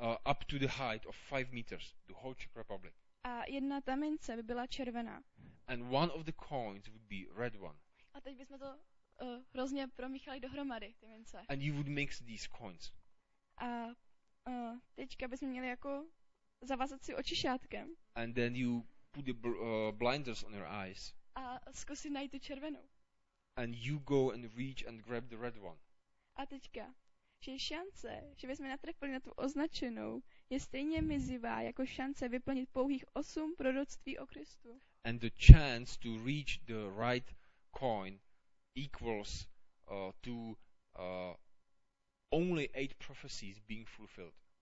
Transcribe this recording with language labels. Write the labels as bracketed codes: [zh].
[en] Up to the height of 5 meters, the whole Czech Republic. [cs] A jedna ta mince by byla červená. [en] And one of the coins would be red one. [cs] A teď bychom to hrozně promíchali dohromady ty mince. [en] And you would mix these coins. [cs] A teďka bychom měli jako zavazat si oči šátkem. [en] And then you put the blinders on your eyes. [cs] A zkusit najít tu červenou. [en] And you go and reach and grab the red one. [cs] A teďka, že šance, že bychom natrefili na tu označenou, je stejně mizivá jako šance vyplnit pouhých 8 proroctví o Kristu. [en] And the chance to reach the right coin equals to only 8 prophecies being fulfilled.